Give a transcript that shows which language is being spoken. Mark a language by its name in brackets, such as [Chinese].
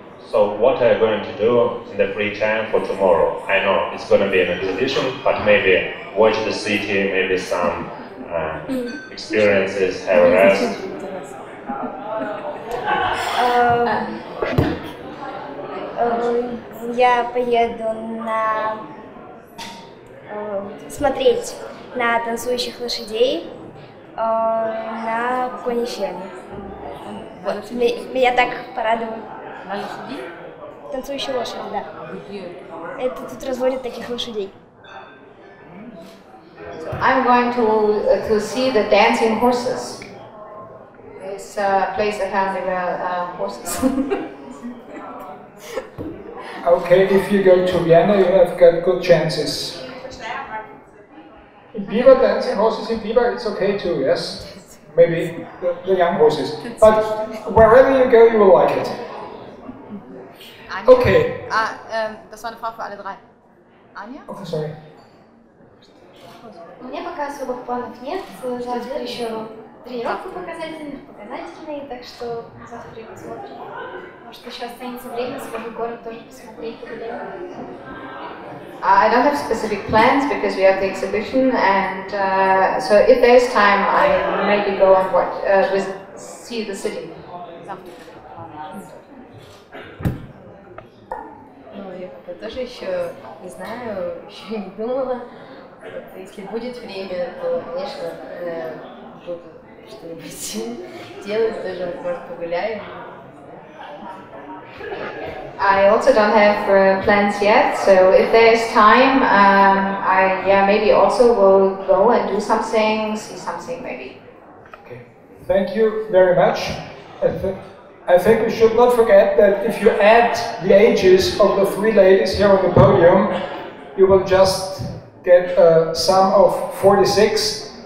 [English] So what are you going to do in the free time for tomorrow? I know it's going to be an exhibition, but maybe watch the city, maybe some experiences, have a rest. [Russian] Я поеду на смотреть на танцующих лошадей на кони-ферме. Меня так порадовали. Танцующие лошади, да. Это тут разводят таких лошадей. [English] So I'm going to see the dancing horses. It's a place that has horses. Okay, if you go to Vienna, you have got good chances. In Biber, dancing horses in Biber, it's okay too, yes? Maybe the young horses, but wherever you go, you will like it. Anja? Okay. [German] Das war eine Frage für alle drei. Anja? [English] Okay, sorry. [Russian] У меня пока особых планов нет. Завтра еще тренировку показательные, так что завтра посмотрим. Может, еще останется время, скажу город тоже посмотреть. [English] I don't have specific plans because we have the exhibition, and so if there is time, I maybe go and watch, see the city. [Russian] Ну, я пока тоже еще не знаю, еще не думала. Если будет время, то, конечно, буду что-нибудь делать, тоже, может, погуляю. [English] I also don't have plans yet, so if there is time, maybe also will go and do something, see something maybe. Okay. Thank you very much. I think we should not forget that if you add the ages of the three ladies here on the podium, you will just get a sum of 46.